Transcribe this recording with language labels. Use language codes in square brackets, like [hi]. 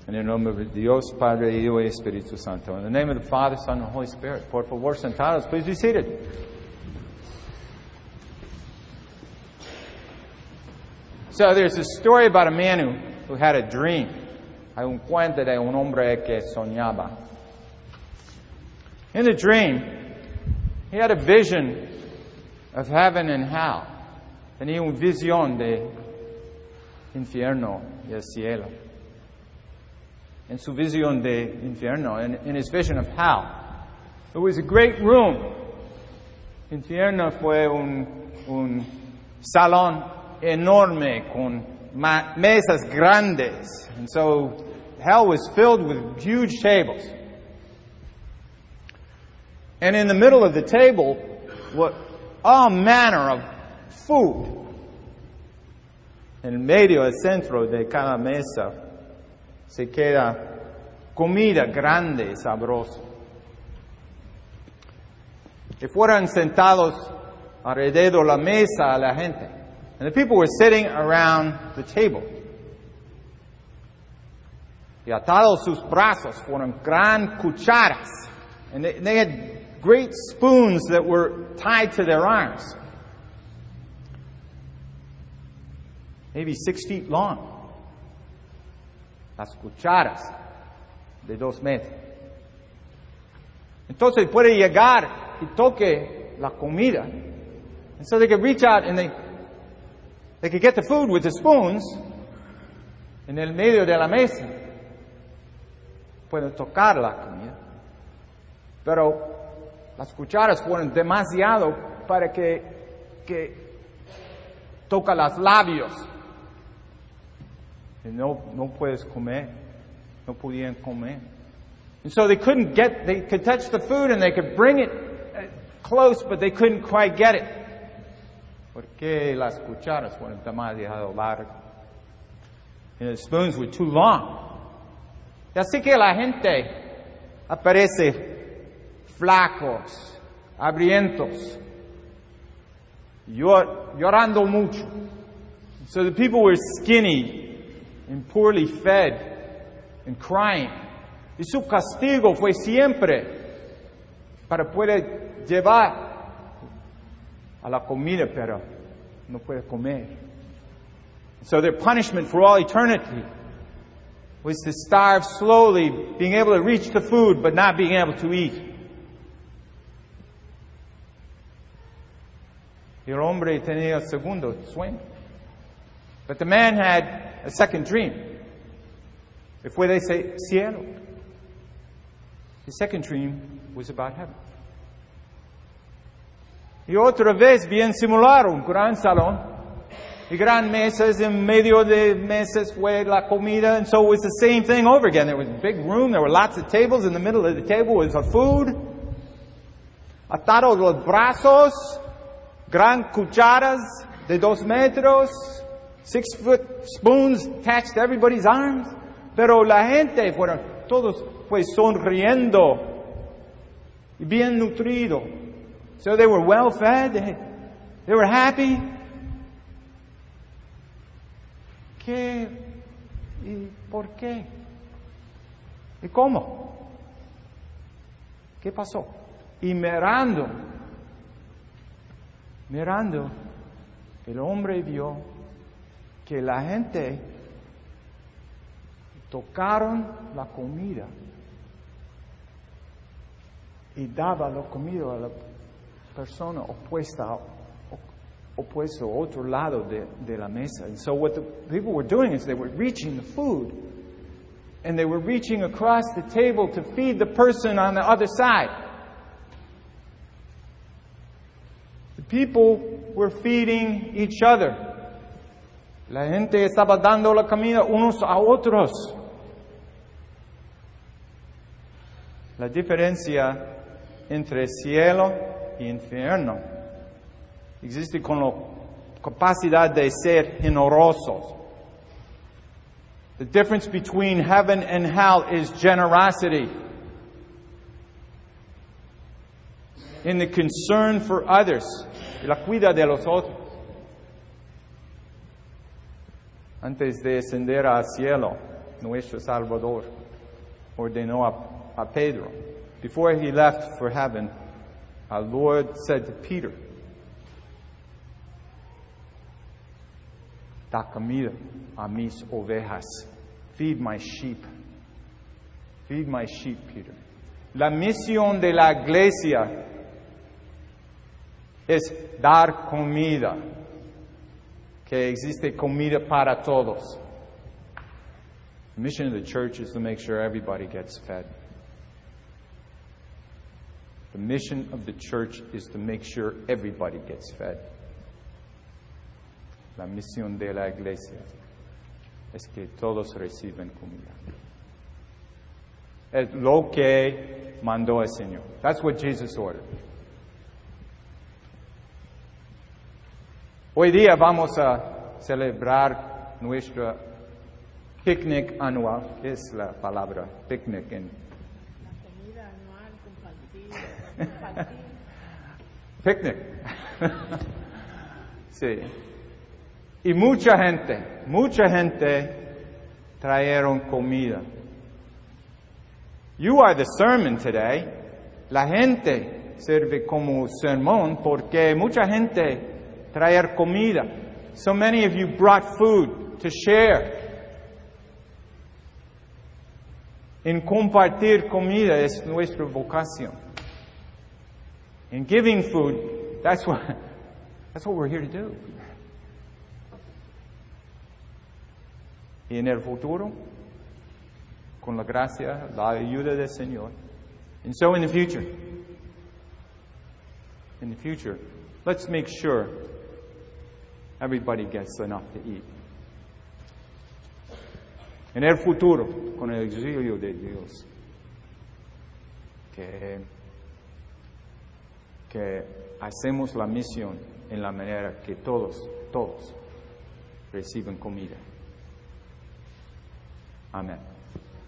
[es] En el nombre de Dios, Padre, Hijo y Espíritu Santo. [en] In the name of the Father, Son, and Holy Spirit. [es] Por favor, sentados. [en] Please be seated. So there's a story about a man who had a dream. [es] Hay un cuento de un hombre que soñaba. [en] In the dream, he had a vision of heaven and hell. [es] Tenía una visión de infierno y el cielo. En su visión de infierno, [en] in his vision of hell, it was a great room. [es] Infierno fue un salón enorme con mesas grandes. [en] And so hell was filled with huge tables. And in the middle of the table were all manner of food. [es] En medio, el centro de cada mesa, se queda comida grande y sabrosa. Y fueron sentados alrededor de la mesa a la gente. [en] And the people were sitting around the table. [es] Y atados sus brazos fueron gran cucharas. [en] And they had great spoons that were tied to their arms. Maybe 6 feet long. [es] Las cucharas de 2 metros. Entonces puede llegar y toque la comida. [en] And so they could reach out and they could get the food with the spoons [es] en el medio de la mesa. Pueden tocar la comida. Pero las cucharas fueron demasiado para que toque los labios. And no puedes comer. No podían comer. [en] And so they could touch the food and they could bring it close, but they couldn't quite get it. [es] Porque las cucharas fueron demasiado largas. [en] And the spoons were too long. [es] Y así que la gente aparece flacos, hambrientos, llorando mucho. [en] And so the people were skinny and poorly fed and crying. [es] Y su castigo fue siempre para poder llevar a la comida, pero no puede comer. [en] So their punishment for all eternity was to starve slowly, being able to reach the food, but not being able to eat. [es] El hombre tenía segundo sueño. [en] But the man had a second dream. [es] Fue de cielo. [en] His second dream was about heaven. [es] Y otra vez bien similar, un gran salón. Y gran mesas, en medio de mesas fue la comida. [en] And so it was the same thing over again. There was a big room, there were lots of tables. In the middle of the table was a food. [es] Atados los brazos, gran cucharas de 2 metros, [en] 6 foot spoons attached to everybody's arms. [es] Pero la gente fueron todos pues sonriendo y bien nutrido. [en] So they were well fed, they were happy. [es] ¿Qué y por qué? ¿Y cómo? ¿Qué pasó? Y mirando, el hombre vio que la gente tocaron la comida y daba la comida a la persona opuesta, otro lado de la mesa. [en] And so what the people were doing is they were reaching the food and they were reaching across the table to feed the person on the other side. The people were feeding each other. [es] La gente estaba dando la comida unos a otros. La diferencia entre cielo y infierno existe con la capacidad de ser generosos. [en] The difference between heaven and hell is generosity. In the concern for others, [es] y la cuida de los otros. Antes de ascender al cielo, nuestro Salvador ordenó a Pedro. [en] Before he left for heaven, our Lord said to Peter, [es] da comida a mis ovejas. [en] Feed my sheep. Feed my sheep, Peter. [es] La misión de la iglesia es dar comida. Que existe comida para todos. [en] The mission of the church is to make sure everybody gets fed. The mission of the church is to make sure everybody gets fed. [es] La misión de la iglesia es que todos reciben comida. Es lo que mandó el Señor. [en] That's what Jesus ordered. [es] Hoy día vamos a celebrar nuestro picnic anual. ¿Qué es la palabra picnic en? La comida anual compartida. Picnic. Sí. Y mucha gente trajeron comida. [en] You are the sermon today. [es] La gente sirve como sermón porque mucha gente trae comida. [en] So many of you brought food to share. [es] En compartir comida es nuestra vocación. [en] In giving food, that's what we're here to do. [es] Y en el futuro, con la gracia, la ayuda del Señor. [en] And so in the future, let's make sure everybody gets enough to eat. [es] En el futuro, con el exilio de Dios, que hacemos la misión en la manera que todos reciben comida. Amen.